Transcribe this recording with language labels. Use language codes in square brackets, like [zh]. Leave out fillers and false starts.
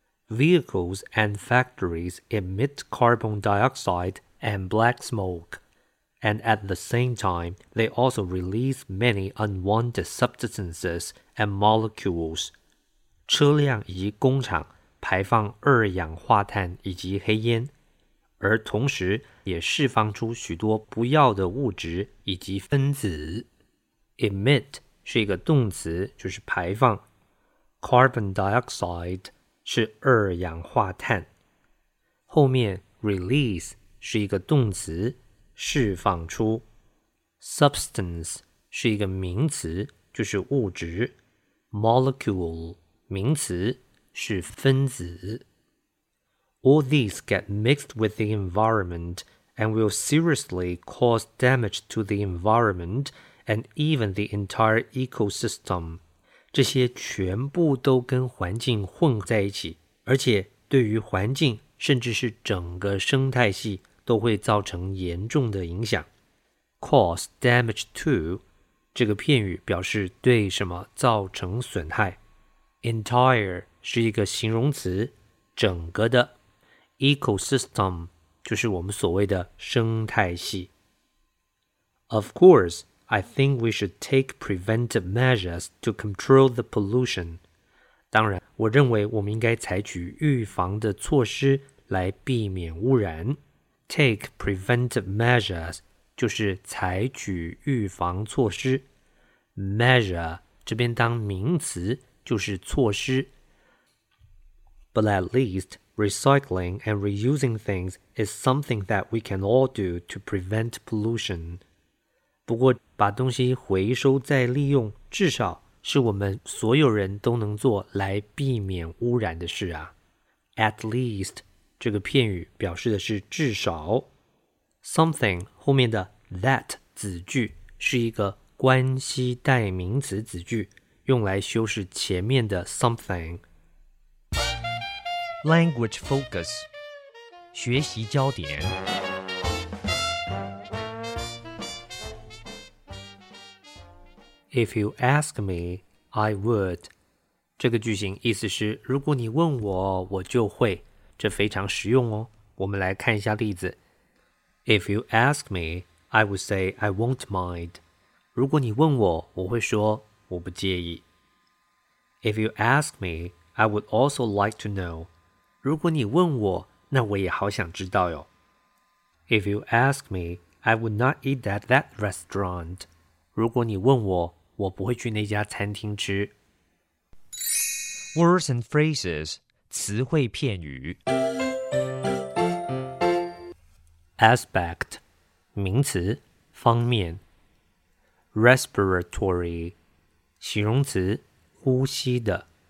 [en] Vehicles and factories emit carbon dioxide and black smoke, and at the same time, they also release many unwanted substances and molecules. [zh] 车辆以及工厂排放二氧化碳以及黑烟，而同时也释放出许多不要的物质以及分子。 Emit 是一个动词，就是排放。Carbon dioxide 是二氧化碳，后面 release 是一个动词，释放出。 Substance 是一个名词，就是物质。 Molecule名词是分子。 [en] All these get mixed with the environment and will seriously cause damage to the environment and even the entire ecosystem. [zh] 这些全部都跟环境混在一起，而且对于环境甚至是整个生态系都会造成严重的影响。 [en] Cause damage to [zh] 这个片语表示对什么造成损害。 Entire 是一个形容词，整个的。 Ecosystem 就是我们所谓的生态系。 [en] Of course, I think we should take preventive measures to control the pollution. [zh] 当然，我认为我们应该采取预防的措施来避免污染。 [en] Take preventive measures [zh] 就是采取预防措施。 Measure 这边当名词就是措施。 [en] But at least recycling and reusing things is something that we can all do to prevent pollution. [zh] 不过把东西回收再利用至少是我们所有人都能做来避免污染的事啊。 [en] At least [zh] 这个片语表示的是至少。 Something 后面的 that 子句是一个关系代名词子句，用来修饰前面的 something。 [en] Language focus [zh] 学习焦点。 [en] If you ask me, I would。 [zh] 这个句型意思是如果你问我，我就会。这非常实用哦。我们来看一下例子。 [en] If you ask me, I would say I won't mind。 [zh] 如果你问我，我会说我不介意。 [en] If you ask me, I would also like to know. [zh] 如果你问我，那我也好想知道哟。 [en] If you ask me, I would not eat at that restaurant. [zh] 如果你问我，我不会去那家餐厅吃。 [en] Words and phrases, [zh] 词汇片语。 Aspect, 名词，方面。 Respiratory, 形容词。呼吸的。